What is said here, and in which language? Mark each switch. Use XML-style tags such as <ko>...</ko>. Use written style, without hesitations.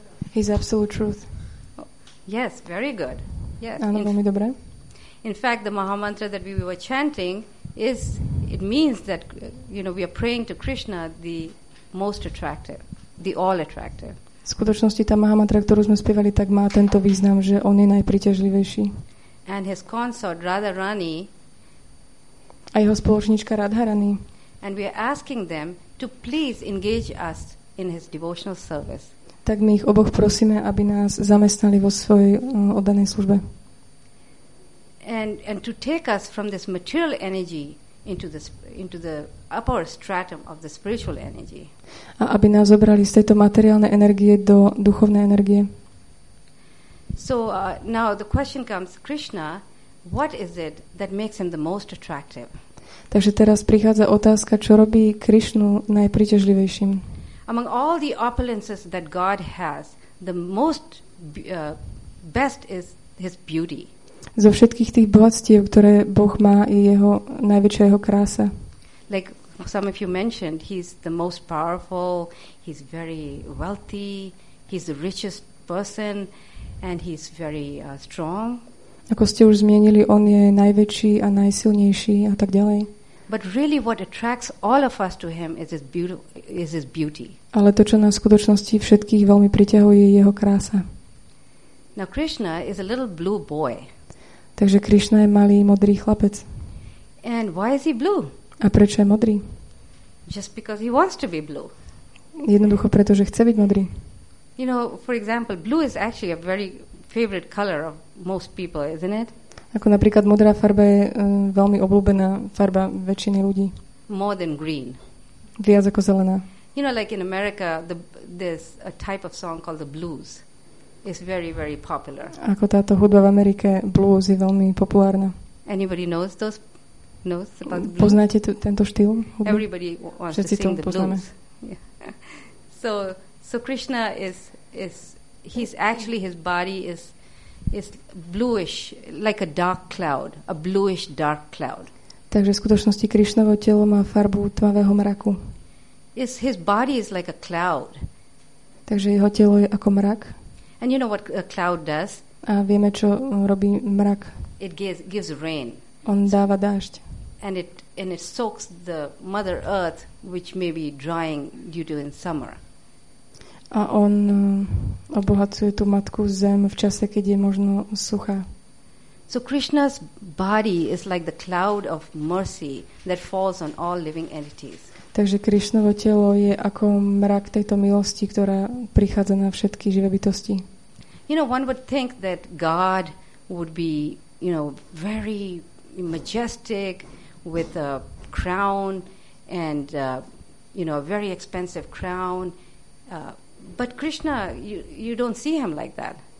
<en>He is absolute truth. Yes, very good. Yes.</en> <sk>Áno, veľmi dobré.</sk> <en>In fact, the Mahamantra that we were chanting is, it means that, you know, we are praying to Krishna, the most attractive, the all attractive.</en> <sk>V skutočnosti tá Mahamantra, ktorú sme spievali, tak má tento význam, že on je najpríťažlivejší.</sk> <en>And his consort, Radharani.</en> <sk>A jeho spoločnička Radharani.</sk> <en>And we are asking them to please engage us in his devotional service.</en> <sk>Tak my ich oboch prosíme, aby nás zamestnali vo svojej oddanej službe.</sk> <en>And to take us from this material energy into the upper stratum of the spiritual energy.</en> <sk>A aby nás zobrali z tejto materiálnej energie do duchovnej energie.</sk> <en>So now the question comes, Krishna, what is it that makes him the most attractive?</en> <sk>Takže teraz prichádza otázka, čo robí Krishnu najpríťažlivejším?</sk> <en>Among all the opulences that God has, the most best is his beauty.</en> <sk>Zo všetkých tých bohatstiev, ktoré Boh má, je jeho najväčšia jeho krása.</sk> <en>Like some of you mentioned, he's the most powerful, he's very wealthy, he's the richest person and he's very strong.</en> <sk>Ako ste už zmienili, on je najväčší a najsilnejší a tak ďalej.</sk> <en>But really what attracts all of us to him is his beauty.</en> <sk>Ale to, čo nás v skutočnosti všetkých veľmi priťahuje, je jeho krása.</sk> <en>Now Krishna is a little blue boy.</en> <sk>Takže Krishna je malý modrý chlapec.</sk> <en>And why is he blue?</en> <sk>A prečo je modrý?</sk> <en>Just because he wants to be blue.</en> <sk>Jednoducho preto, že chce byť modrý.</sk> <en>You know, for example, blue is actually a very favorite color of most people, isn't it?</en> <sk>Ako napríklad modrá farba je veľmi obľúbená farba väčšiny ľudí.</sk> <en>More than green.</en> <sk>Viac ako zelená.</sk> <en>You know, like in America, there's a type of song called the blues. Is very, very popular.</en> <sk>Ako táto hudba v Amerike, blues je veľmi populárna.</sk> <en>Anybody knows about blues?</en> <sk>Poznáte tento štýl hudby?</sk> <en>Everybody wants</en> <sk>Všetci</sk> <en>to sing the</en> <sk>poznáme.</sk> <en>Blues. Yeah. So Krishna is he's actually his body is bluish, like a dark cloud, a bluish dark cloud.</en> <sk>Takže v skutočnosti Krishnovo telo má farbu tmavého mraku.</sk> <en>Is his body is like a cloud.</en> <sk>Takže jeho telo je ako mrak.</sk> <en>And you know what a cloud does?</en> <sk>A vieme, čo robí mrak.</sk> <en>It gives rain.</en> <sk>On dáva dážď.</sk> <en>And it soaks the mother earth, which may be drying due to in summer.</en> <sk>A on obohacuje tú matku zem v čase, keď je možno suchá.</sk> <en>So Krishna's body is like the cloud of mercy that falls on all living entities.</en> <sk>Takže Krišnovo telo je ako mrak tejto milosti, ktorá prichádza na všetky živé bytosti.</sk> <en>You know, one would think that God would be, you know, very majestic with a crown and you know, a very expensive crown. But Krishna, you don't see him like that.</en>